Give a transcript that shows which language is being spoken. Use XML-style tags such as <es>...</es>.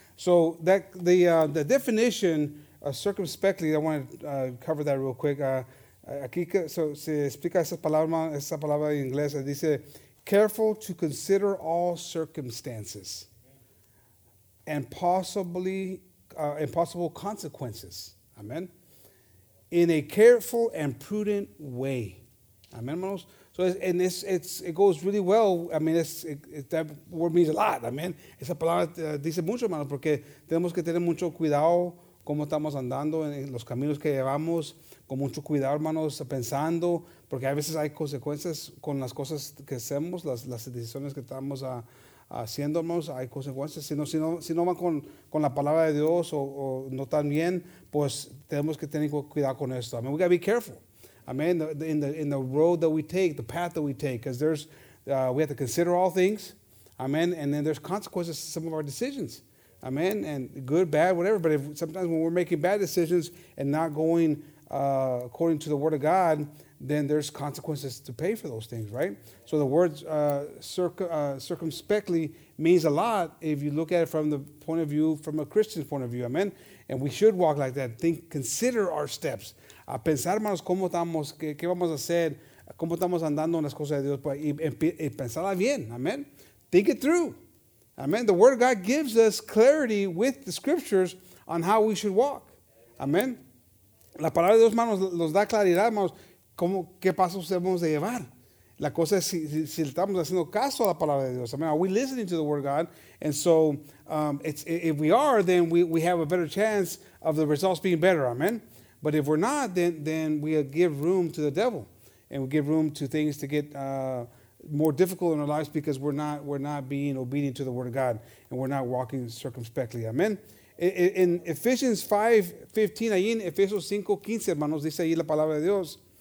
<en>So that the definition circumspectly, I want to cover that real quick.</en> <es>Aquí so, se explica esa palabra en inglés.</es> <en>It dice, careful to consider all circumstances and possibly possible consequences. Amen. In a careful and prudent way. Amen, hermanos. So it goes really well. I mean, that word means a lot. Amen.</en> <es>Esa palabra dice mucho, hermanos, porque tenemos que tener mucho cuidado cómo estamos andando en los caminos que llevamos, con mucho cuidado, hermanos, pensando, porque a veces hay consecuencias con las cosas que hacemos, las decisiones que estamos haciendo, hermanos, hay consecuencias. Si no van con la palabra de Dios o no tan bien, pues tenemos que tener cuidado con esto.</es> <en>I mean, we got to be careful. Amen. In the road that we take, the path that we take, because there's we have to consider all things. Amen. And then there's consequences to some of our decisions. Amen. And good, bad, whatever. But sometimes when we're making bad decisions and not going according to the word of God, then there's consequences to pay for those things, right? So the word circumspectly means a lot if you look at it from the point of view, from a Christian's point of view. Amen. And we should walk like that. Think, consider our steps.</en> <es>A pensar, hermanos, cómo estamos, qué vamos a hacer, cómo estamos andando en las cosas de Dios, y pensarla bien, amen.</es> <en>Think it through, amen. The Word of God gives us clarity with the Scriptures on how we should walk, amen.</en> <es>La palabra de Dios, hermanos, nos da claridad, hermanos, cómo, qué pasos debemos de llevar. La cosa es si estamos haciendo caso a la palabra de Dios, amen.</es> <en>Are we listening to the Word of God? And so, if we are, then we have a better chance of the results being better, amen. But if we're not, then we give room to the devil, and we give room to things to get more difficult in our lives because we're not being obedient to the Word of God and we're not walking circumspectly. Amen. In Ephesians 5:15,</en> <es>ahí en Efesios 5:15, hermanos, dice ahí la palabra de Dios.</es>